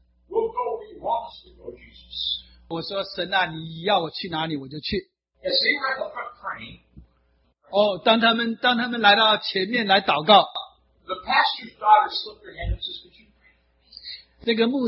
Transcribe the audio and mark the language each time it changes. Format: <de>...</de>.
<en>We'll go where you want us to go, Jesus.</en> <zh>我说神啊，你要我去哪里我就去。</zh> <en>As they were at the front praying.</en> <zh>当他们来到前面来祷告。</zh> <en>The pastor's daughter slipped her hand and says, "Could you pray?"</en>